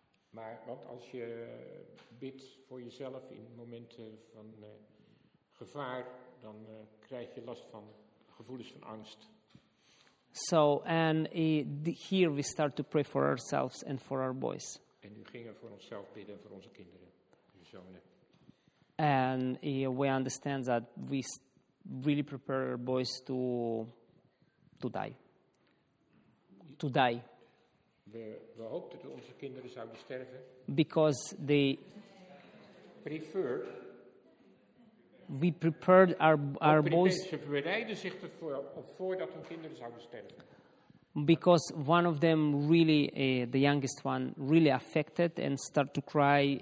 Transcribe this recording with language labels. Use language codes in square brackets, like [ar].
[nl] Maar wat als je bid voor jezelf in momenten van gevaar, dan krijg je last van gevoelens van angst. [en] So, and here we start to pray for ourselves and for our boys. [nl] En nu gingen we voor onszelf bidden, voor onze kinderen, onze zonen. [en] And we understand that we really prepare our boys to die. [nl] We hoopten dat onze kinderen zouden sterven. [en] Because they preferred. We prepared our boys. [nl] Ze bereiden zich ervoor voordat hun kinderen zouden sterven. [en] Because one of them really, the youngest one, really affected and start to cry.